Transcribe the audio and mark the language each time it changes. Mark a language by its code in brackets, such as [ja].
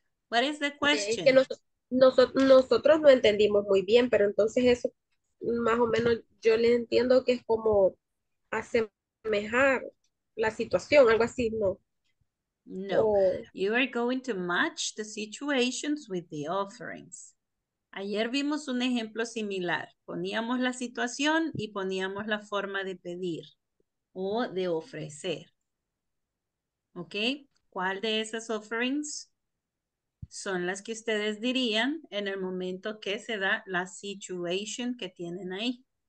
[en] What is the question? [es] Es que nosotros no entendimos muy bien, pero entonces eso más o menos yo le entiendo que es como asemejar la situación, algo así, ¿no? No. O... [en] You are going to match the situations with the offerings. [es] Ayer vimos un ejemplo similar. Poníamos la situación y poníamos la forma de pedir o de ofrecer. ¿Ok? ¿Cuál de esas offerings son las que ustedes dirían en el momento que se da la situation que tienen ahí?